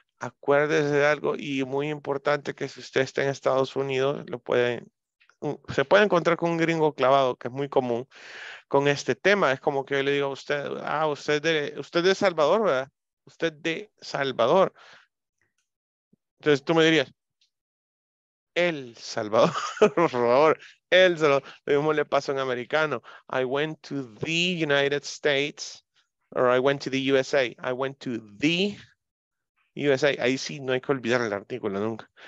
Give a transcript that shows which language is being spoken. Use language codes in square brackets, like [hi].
[es] Acuérdese de algo y muy importante, que si usted está en Estados Unidos, se puede encontrar con un gringo clavado, que es muy común con este tema. Es como que yo le digo a usted, usted de Salvador, ¿verdad? Usted de Salvador. Entonces tú me dirías, El Salvador, por favor, El Salvador. Lo mismo le pasa a un americano. [en] I went to the United States, or I went to the USA. I went to the USA. [es] Ahí sí, no hay que olvidar el artículo nunca.